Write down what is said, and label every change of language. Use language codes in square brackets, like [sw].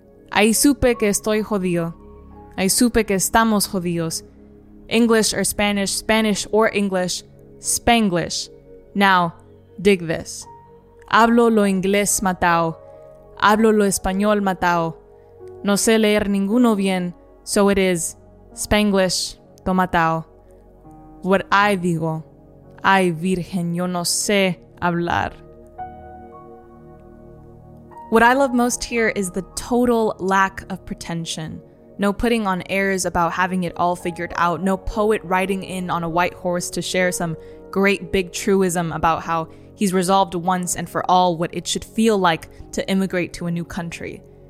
[es] Ahí supe que estoy jodido. Ahí supe que estamos jodidos. [en] English or Spanish, Spanish or English, Spanglish. Now, dig this. [es] Hablo lo inglés matao. Hablo lo español matao. No sé leer ninguno bien, [en] so it is [es] Spanglish to matao. [en] What I digo. [es] Ay, virgen, yo no sé hablar. [en] What I love most here is the total lack of pretension. No putting on airs about having it all figured out. No poet riding in on a white horse to share some great big truism about how he's resolved once and for all what it should feel like to immigrate to a new country.